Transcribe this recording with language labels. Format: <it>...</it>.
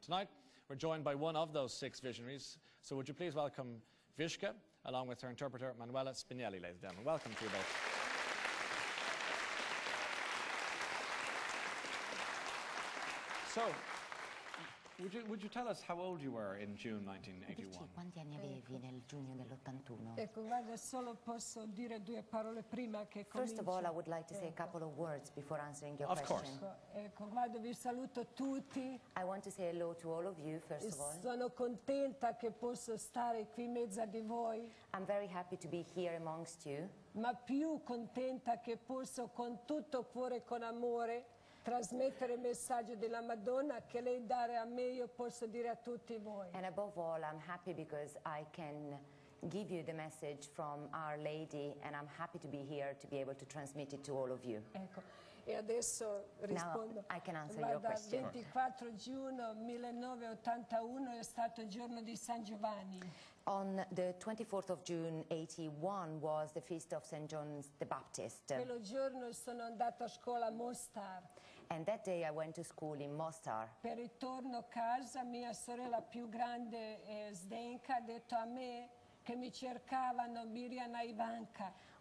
<en>Tonight, we're joined by one of those six visionaries. So would you please welcome Vicka, along with her interpreter, Manuela Spinelli, ladies and gentlemen. Welcome to you both. So, would you tell us how old you were in June 1981?</en> <it>Quanti anni avevi nel giugno dell'81? Ecco, guarda, solo posso dire due parole prima che cominci.</it> <en>First of all, I would like to say a couple of words before answering your question. Of course.</en> <it>Ecco, guarda, vi saluto tutti.</it> <en>I want to say hello to all of you, first of all.</en> <it>Sono contenta che posso stare qui in mezzo di voi.</it> <en>I'm very happy to be here amongst you.</en> <it>Ma più contenta che posso con tutto cuore e con amore trasmettere il messaggio della Madonna che lei dare a me, io posso dire a tutti voi.</it> <en>And above all, I'm happy because I can give you the message from Our Lady, and I'm happy to be here to be able to transmit it to all of you.</en> <it>Ecco, e adesso rispondo.</it> <en>Now I can answer your question.</en> <it>24 giugno 1981 è stato il giorno di San Giovanni.</it> <en>On the 24th of June 81 was the feast of St. John the Baptist.</en> <it>Quello giorno sono andata a scuola a Mostar.</it> <en>And that day I went to school in Mostar.</en> <it>Per ritorno a casa mia sorella più grande Zdenka ha detto a me che mi cercavano Mirjana Ivanka.</it>